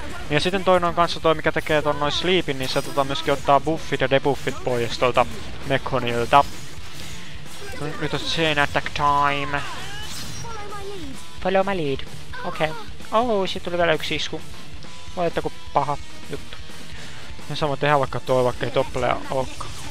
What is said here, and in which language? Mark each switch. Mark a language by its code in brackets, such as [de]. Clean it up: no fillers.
[fi] Ja sitten toinen on kanssa toi, mikä tekee ton noin sleepin, niin se tota myöskin ottaa buffit ja debuffit pois tuolta Mekonilta. Nyt on chain attack time. [en] Follow my lead. Okei. Okay. [fi] Oh, sit tuli vielä yksi isku. Vai että ku paha juttu. Ja sama tehdä vaikka toi, vaikka ei toppleja olekaan.